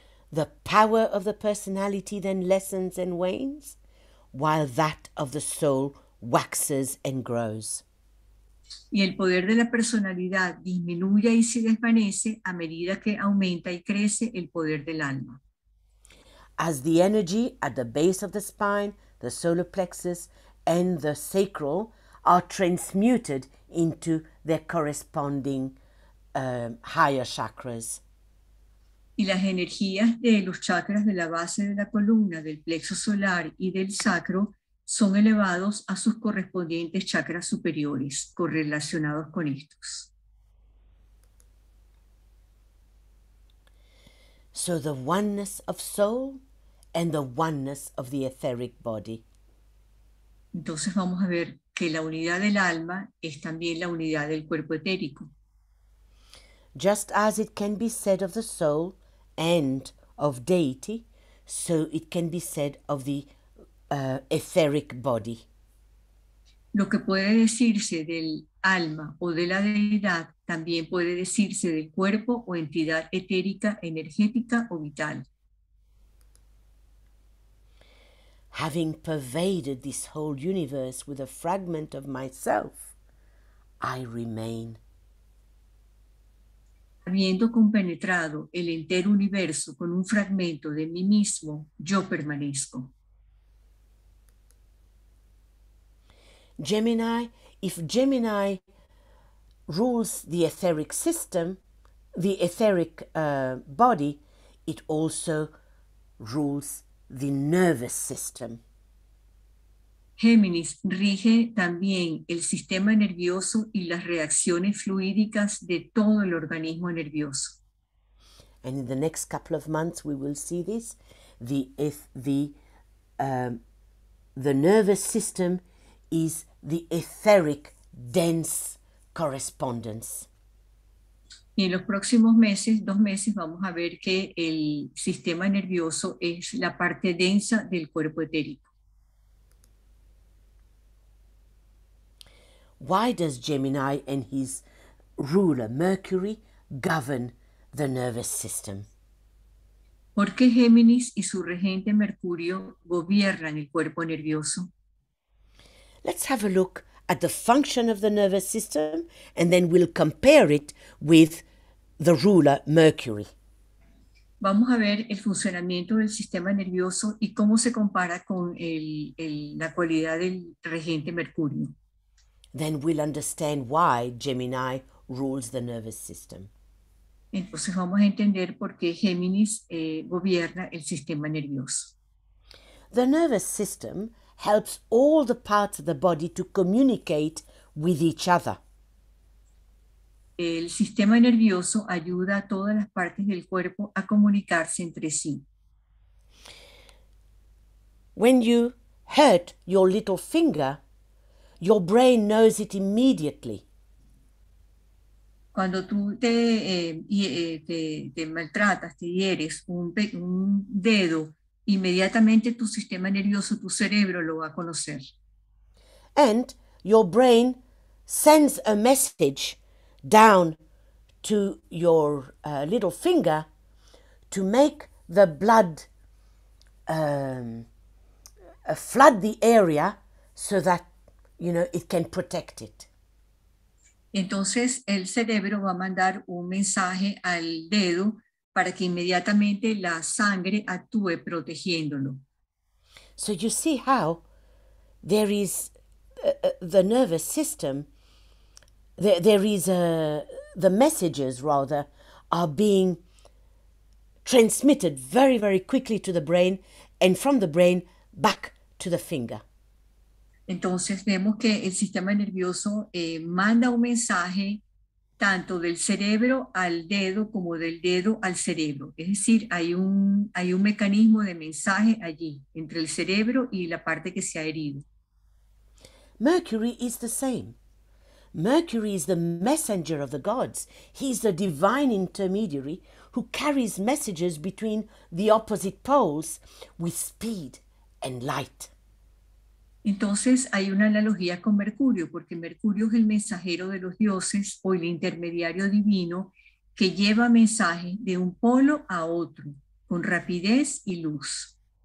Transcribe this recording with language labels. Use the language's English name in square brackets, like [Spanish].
[English] The power of the personality then lessens and wanes, while that of the soul waxes and grows. [Spanish] Y el poder de la personalidad disminuye y se desvanece a medida que aumenta y crece el poder del alma. [English] As the energy at the base of the spine, the solar plexus, and the sacral are transmuted into their corresponding higher chakras. [Spanish] Y las energías de los chakras de la base de la columna, del plexo solar y del sacro son elevados a sus correspondientes chakras superiores, correlacionados con estos. [English] So the oneness of soul and the oneness of the etheric body. [Spanish] Entonces vamos a ver que la unidad del alma es también la unidad del cuerpo etérico. [English] Just as it can be said of the soul and of deity, so it can be said of the etheric body. [Spanish] Lo que puede decirse del alma o de la deidad también puede decirse del cuerpo o entidad etérica, energética o vital. [English] Having pervaded this whole universe with a fragment of myself, I remain. [Spanish] Habiendo compenetrado el entero universo con un fragmento de mí mismo, yo permanezco. [English] Gemini, if Gemini rules the etheric system, the etheric body, it also rules the nervous system. [Spanish] Géminis rige también el sistema nervioso y las reacciones fluídicas de todo el organismo nervioso. [English] And in the next couple of months we will see this, the nervous system is the etheric dense correspondence. [Spanish] Y en los próximos meses, dos meses, vamos a ver que el sistema nervioso es la parte densa del cuerpo etérico. [English] Why does Gemini and his ruler Mercury govern the nervous system? [Spanish] ¿Por qué Géminis y su regente Mercurio gobiernan el cuerpo nervioso? [English] Let's have a look at the function of the nervous system and then we'll compare it with the ruler Mercury. [Spanish] Vamos a ver el funcionamiento del sistema nervioso y cómo se compara con la cualidad del regente Mercurio. [English] Then we'll understand why Gemini rules the nervous system. [Spanish] Entonces vamos a entender por qué Géminis gobierna el sistema nervioso. [English] The nervous system helps all the parts of the body to communicate with each other. [Spanish] El sistema nervioso ayuda a todas las partes del cuerpo a comunicarse entre sí. [English] When you hurt your little finger, your brain knows it immediately. [Spanish] Cuando tú te maltratas, te hieres un dedo, inmediatamente tu sistema nervioso, tu cerebro lo va a conocer. [English] And your brain sends a message down to your little finger to make the blood flood the area so that, you know, it can protect it. [Spanish] Entonces el cerebro va a mandar un mensaje al dedo para que inmediatamente la sangre actúe protegiéndolo. [English] So you see how there is the nervous system, the messages rather are being transmitted very, very quickly to the brain and from the brain back to the finger. [Spanish] Entonces vemos que el sistema nervioso manda un mensaje tanto del cerebro al dedo como del dedo al cerebro. Es decir, hay un mecanismo de mensaje allí entre el cerebro y la parte que se ha herido. [English] Mercury is the same. Mercury is the messenger of the gods. He is the divine intermediary who carries messages between the opposite poles with speed and light. [Spanish] Entonces hay una analogía con Mercurio, porque Mercurio es el mensajero de los dioses o el intermediario divino que lleva mensaje de un polo a otro con rapidez y luz.